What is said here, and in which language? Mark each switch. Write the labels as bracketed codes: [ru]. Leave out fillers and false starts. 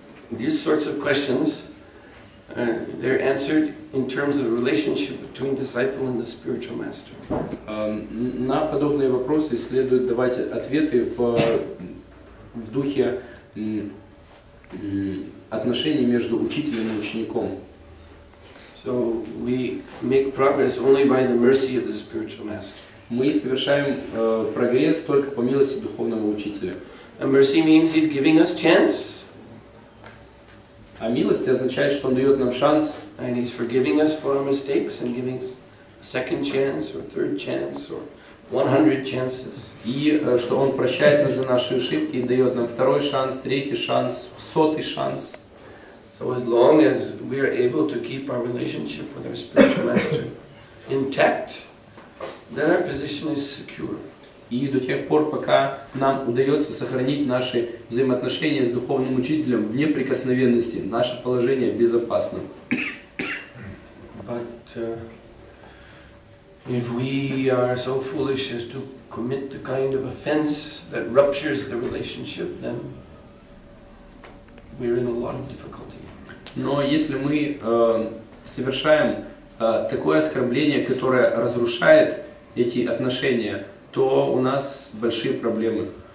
[en] These sorts of questions, they're answered in terms of the relationship between disciple and the spiritual master. [ru] На подобные вопросы следует давать ответы в духе отношения между учителем и учеником. [en] So we make progress only by the mercy of the spiritual master. [ru] Мы совершаем прогресс только по милости духовного учителя. [en] And mercy means he's giving us chance. [ru] А милость означает, что он дает нам шанс. [en] And he's forgiving us for our mistakes and giving us a second chance or third chance or 100 chances. [ru] И что он прощает нас за наши ошибки и дает нам второй шанс, третий шанс, сотый шанс. [en] So as long as we are able to keep our relationship with our spiritual master intact, then our position is secure. [ru] И до тех пор, пока нам удается сохранить наши взаимоотношения с духовным учителем в неприкосновенности, наше положение безопасно. [en] But if we are so foolish as to commit the kind of offense that ruptures the relationship, then we're in a lot of difficulty. [ru] Но если мы совершаем такое оскорбление, которое разрушает эти отношения, то у нас большие проблемы.